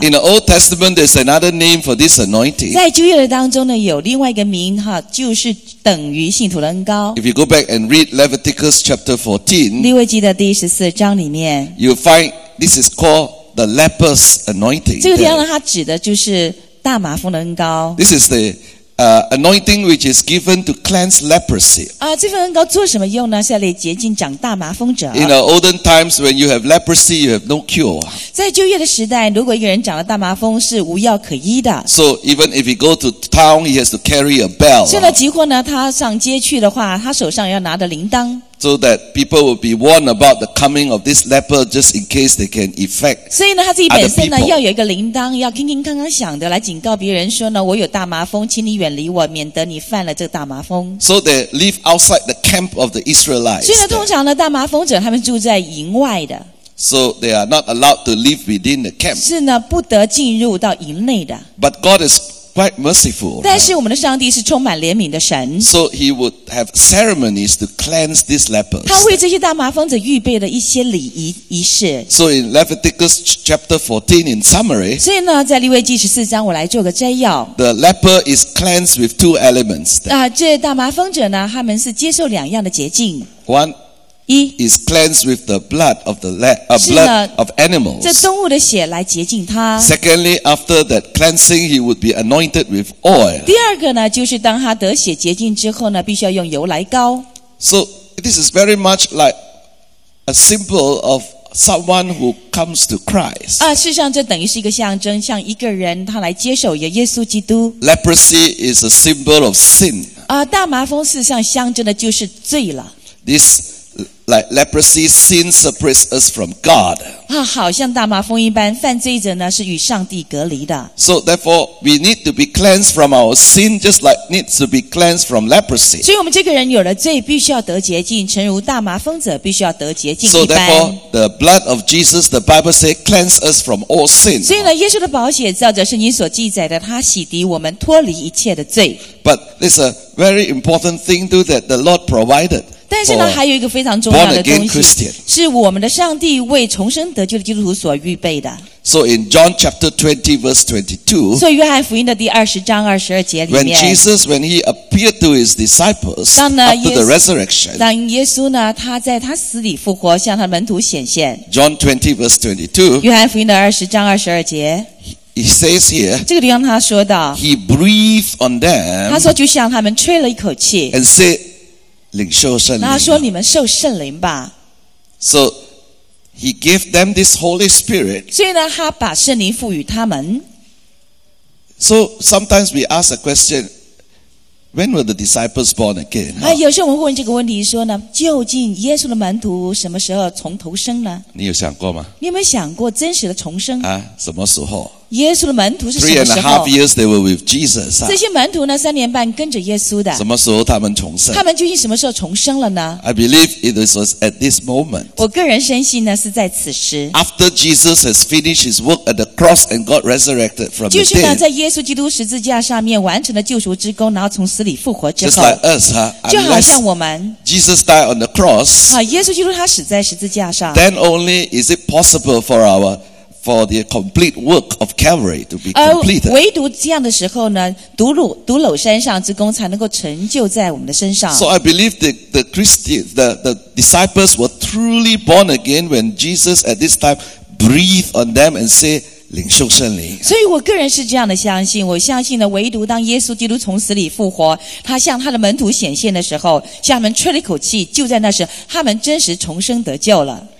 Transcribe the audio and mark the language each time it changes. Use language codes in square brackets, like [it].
[en] In the Old Testament, there's another name for this anointing. [zh] 在旧约当中呢，有另外一个名哈，就是等于信徒恩膏。 [en] If you go back and read Leviticus chapter 14, [zh] 利未记的第14章里面 [en] ，you find this is called the leper's anointing. [zh] 这个地方呢，它指的就是大麻风的恩膏。 [en] This is the anointing which is given to cleanse leprosy. [zh] 这份恩膏做什么用呢？是要来洁净长大麻风者。 [en] In the olden times, when you have leprosy, you have no cure. [zh] 在旧约的时代，如果一个人长了大麻风，是无药可医的。 [en] So even if he go to town, he has to carry a bell. [zh] 现在即或呢，他上街去的话，他手上要拿的铃铛。 [en] So that people will be warned about the coming of this leper, just in case they can affect other people. [zh] 所以呢，他自己本身呢要有一个铃铛，要叮叮当当响的来警告别人说呢，我有大麻风，请你远离我，免得你犯了这个大麻风。 [en] So they live outside the camp of the Israelites. [zh] 所以呢，通常呢，大麻风者他们住在营外的。 [en] So they are not allowed to live within the camp. [zh] 是呢，不得进入到营内的。 [en] But God is quite merciful. [zh] 但是我们的上帝是充满怜悯的神。 [en] So he would have ceremonies to cleanse these lepers. [zh] 他为这些大麻风者预备了一些礼仪仪式。 [en] So in Leviticus chapter 14 in summary. [zh] 所以呢，在利未记十四章，我来做个摘要。 [en] The leper is cleansed with two elements. [zh] 这大麻风者呢，他们是接受两样的洁净。 [en] One. Is cleansed with the blood of the blood of animals. [zh] 这动物的血来洁净它。 [en] Secondly, after that cleansing, he would be anointed with oil. [zh] 第二个呢，就是当他得血洁净之后呢，必须要用油来膏。 [en] So this is very much like a symbol of someone who comes to Christ. [zh] 事实上，这等于是一个象征，像一个人他来接受耶稣基督。 [en] Leprosy is a symbol of sin. [zh] 大麻风事实上象征的就是罪了。 [en] This Like leprosy, sin separates us from God. [zh] 好像大麻风一般，犯罪者呢是与上帝隔离的。 [en] So therefore, we need to be cleansed from our sin, just like need to be cleansed from leprosy. [zh] 所以我们这个人有了罪，必须要得洁净，诚如大麻风者必须要得洁净一般。 [en] So therefore, the blood of Jesus, the Bible says, cleanse us from all sin. [zh] 所以呢，耶稣的宝血照着圣经所记载的，他洗涤我们，脱离一切的罪。 [en] But it's a very important thing too that the Lord provided. [zh] 但是呢还有一个非常重要的东西，是我们的上帝为重生得救的基督徒所预备的。 [en] So in John chapter 20 verse 22, [zh] 所以约翰福音的第二十章二十二节里面， [en] when Jesus, when he appeared to his disciples after the resurrection, [zh] 当耶稣呢他在他死里复活向他门徒显现， [en] John 20 verse 22, [zh] 约翰福音的二十章二十二节， [en] He says here, [zh] 这个地方他说到， [en] he breathed on them, [zh] 他说就像他们吹了一口气， [en] and said, [zh] 领受圣灵，那说你们受圣灵吧。 [en] So he gave them this Holy Spirit. [zh] 所以呢，他把圣灵赋予他们。 [en] So sometimes we ask a question: When were the disciples born again? [zh] 啊，有时候我们会问这个问题，说呢，究竟耶稣的门徒什么时候从头生呢？你有想过吗？你有没有想过真实的重生啊？什么时候？耶稣的门徒是什么时候 [en] ？Three and a half years they were with Jesus. [zh] 这些门徒呢，三年半跟着耶稣的。什么时候他们重生？他们究竟什么时候重生了呢 [en] ？I believe it was at this moment. [zh] 我个人深信呢，是在此时。 [en] After Jesus has finished his work at the cross and got resurrected from the dead. [zh] 就是呢，在耶稣基督十字架上面完成了救赎之功，然后从死里复活之后。 [en] Just like us, huh? [zh] 就好像我们。 [en] Jesus died on the cross. [zh] 啊，耶稣基督他死在十字架上。 [en] Then only is it possible for our the complete work of Calvary to be completed. [zh] 唯独这样的时候呢，独楼山上之功才能够成就在我们的身上。 [en] So I believe the Christians, the disciples were truly born again when Jesus at this time breathed on them and said, [zh] 领受圣灵，所以我个人是这样的相信，我相信呢，唯独当耶稣基督从死里复活，他向他的门徒显现的时候，向他们吹了一口气，就在那时，他们真实重生得救了。